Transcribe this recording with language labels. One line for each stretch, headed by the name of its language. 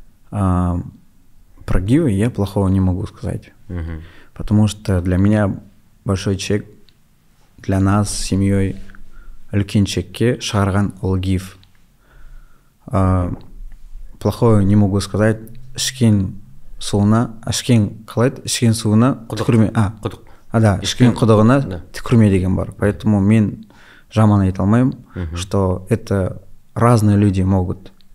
Russian: Про гивы я плохого не могу сказать. Угу. Потому что для меня большой чек, для нас с семьей
Kazakh: үлкен чекке шығарған ол гив.
Russian: Плохого не могу сказать.
Kazakh: Ішкен суына, ішкен қалайды, ішкен суына түкірме. Ішкен құдығына түкірме деген бар.
Russian: Поэтому
Kazakh: мен жаман айта алмаймын,
Russian: что это разные люди могут.